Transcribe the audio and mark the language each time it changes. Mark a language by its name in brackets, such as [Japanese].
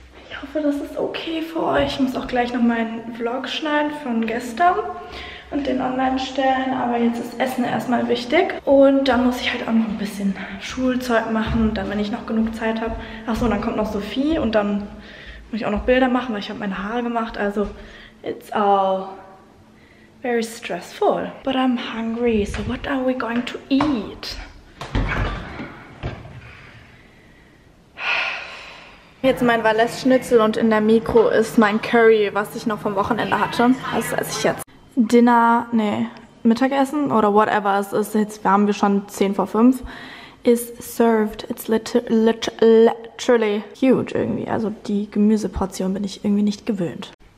[German] Ich hoffe, das ist okay für euch. Ich muss auch gleich noch meinen Vlog schneiden von gestern und den online stellen, aber jetzt ist Essen erstmal wichtig. Und dann muss ich halt auch noch ein bisschen Schulzeug machen, dann wenn ich noch genug Zeit habe. Achso, dann kommt noch Sophie und dann muss ich auch noch Bilder machen, weil ich habe meine Haare gemacht. [English] Also, it's all very stressful. But I'm hungry, so what are we going to eat? [German] Jetzt mein Valais-Schnitzel und in der Mikro ist mein Curry, was ich noch vom Wochenende hatte. Das esse ich jetzt. Dinner, nee, Mittagessen oder whatever es ist, jetzt haben wir schon 10 vor 5, ist served. [English] It's literally huge [German] irgendwie. Also die Gemüseportion bin ich irgendwie nicht gewöhnt.